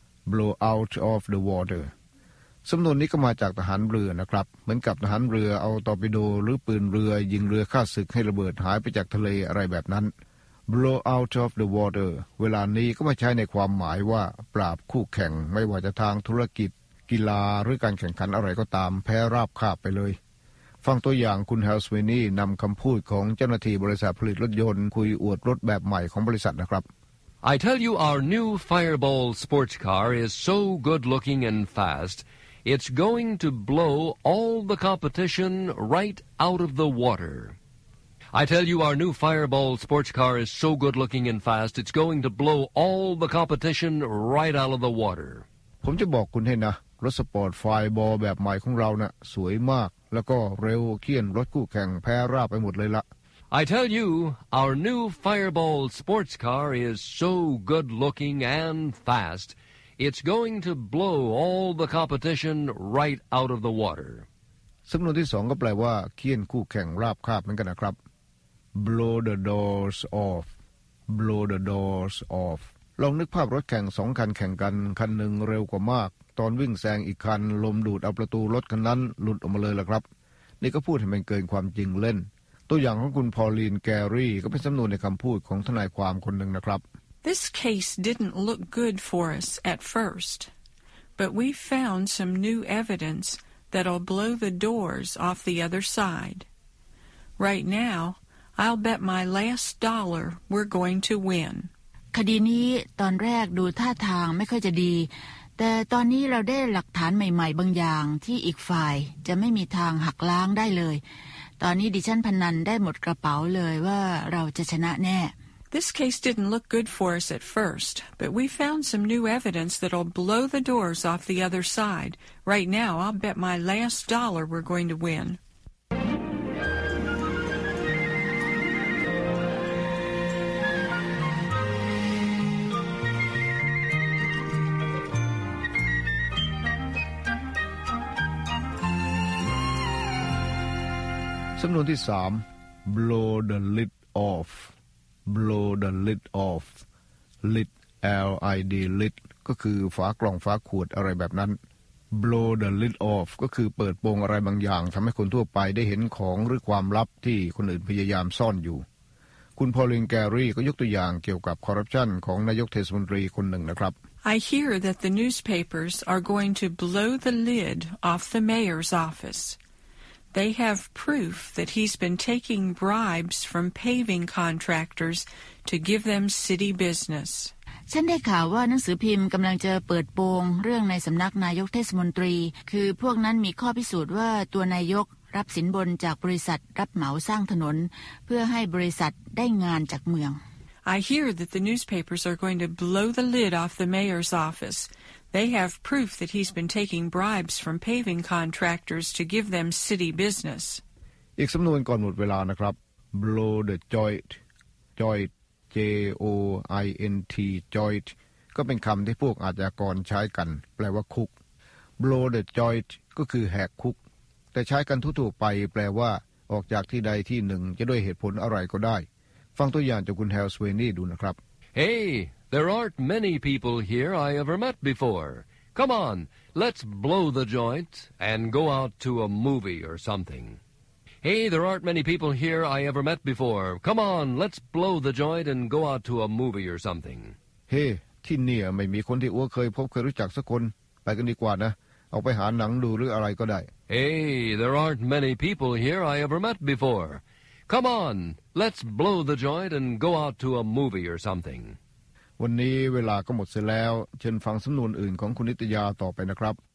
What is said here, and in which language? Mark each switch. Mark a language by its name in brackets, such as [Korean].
[English] blow out of the water [Thai] สำนวนนี้ก็มาจากทหารเรือนะครับเหมือนกับทหารเรือเอาตอร์ปิโดหรือปืนเรือยิงเรือฆ่าศึกให้ระเบิดหายไปจากทะเลอะไรแบบนั้น [English] blow out of the water [Thai] เวลานี้ก็มาใช้ในความหมายว่าปราบคู่แข่งไม่ว่าจะทางธุรกิจกีฬาหรือการแข่งขันอะไรก็ตามแพ้ราบคาบไปเลยฟังตัวอย่างคุณแฮลสวีนี่นำคำพูดของเจ้าหน้าที่บริษัทผลิตรถยนต์คุยอวดรถแบบใหม่ของบริษัทนะครับ [English] I tell you our new Fireball sports car is so good looking and fastIt's going to blow all the competition right out of the water. I tell you, our new Fireball sports car is so good looking and fast, it's going to blow all the competition right out of the water. [Thai] ผมจะบอกคุณให้นะรถสปอร์ต Fireball แบบใหม่ของเราน่ะสวยมากแล้วก็เร็วเคียนรถคู่แข่งแพ้ราบไปหมดเลยละ [English] I tell you, our new Fireball sports car is so good looking and fast. It's going to blow all the competition right out of the water. [Thai] สำนวนที่สองก็แปลว่าเคี่ยนคู่แข่งราบคาบเหมือนกันนะครับ [English] blow the doors off [Thai] blow the doors off ลองนึกภาพรถแข่งสองคันแข่งกันคันหนึ่งเร็วกว่ามากตอนวิ่งแซงอีกคันลมดูดเอาประตูรถคันนั้นหลุดออกมาเลยล่ะครับนี่ก็พูดให้มันเกินความจริงเล่นตัวอย่างของคุณพอลีนแกรี่ก็เป็นสำนวนในคำพูดของทนายความคนหนึ่งนะครับ [English] This case didn't look good for us at first, but we found some new evidence that'll blow the doors off the other side. Right now, I'll bet my last dollar we're going to win. [Thai] คดีนี้ตอนแรกดูท่าทางไม่ค่อยจะดีแต่ตอนนี้เราได้หลักฐานใหม่ๆบางอย่างที่อีกฝ่ายจะไม่มีทางหักล้างได้เลยตอนนี้ดิฉันพนันได้หมดกระเป๋าเลยว่าเราจะชนะแน่ [English] This case didn't look good for us at first, but we found some new evidence that'll blow the doors off the other side. Right now, I'll bet my last dollar we're going to win. [Thai] สำนวนที่สาม [English] blow the lid off. Blow the lid off. Lid, L-I-D, lid, [Thai] ก็คือฝากล่องฝาขวดอะไรแบบนั้น [English] Blow the lid off [Thai] ก็คือเปิดโปงอะไรบางอย่างทำให้คนทั่วไปได้เห็นของหรือความลับที่คนอื่นพยายามซ่อนอยู่คุณพอลินแกรี่ก็ยกตัวอย่างเกี่ยวกับคอร์รัปชันของนายกเทศมนตรีคนหนึ่งนะครับ [English] I hear that the newspapers are going to blow the lid off the mayor's office. They have proof that he's been taking bribes from paving contractors to give them city business. [Thai] ฉันได้ข่าวว่าหนังสือพิมพ์กำลังจะเปิดโปงเรื่องในสำนักนายกเทศมนตรีคือพวกนั้นมีข้อพิสูจน์ว่าตัวนายกรับสินบนจากบริษัทรับเหมาสร้างถนนเพื่อให้บริษัทได้งานจากเมือง [English] I hear that the newspapers are going to blow the lid off the mayor's office. They have proof that he's been taking bribes from paving contractors to give them city business. [Thai] อีกสำนวนก่อนหมดเวลานะครับ [English] blow the joint joint j o i n t joint [Thai] ก็เป็นคำที่พวกอาชญากรใช้กันแปลว่าคุก [English] blow the joint [Thai] ก็คือแหกคุกแต่ใช้กันทั่วๆไปแปลว่า ออกจากที่ใดที่หนึ่งจะด้วยเหตุผลอะไรก็ได้ฟังตัวอย่างจากคุณแฮลสเวนี่ดูนะครับ [English] Hey, there aren't many people here I ever met before. Come on, let's blow the joint and go out to a movie or something. Hey, there aren't many people here I ever met before. Come on, let's blow the joint and go out to a movie or something. Hey, [Thai] ที่นี่ไม่มีคนที่อ้วเคยพบเคยรู้จักสักคนไปกันดีกว่านะเอาไปหาหนังดูหรืออะไรก็ได้ [English] Hey, there aren't many people here I ever met before. Come on, let's blow the joint and go out to a movie or something. [Thai] วันนี้เวลาก็หมดเสียแล้วเชิญฟังสำนวนอื่นของคุณนิตยาต่อไปนะครับ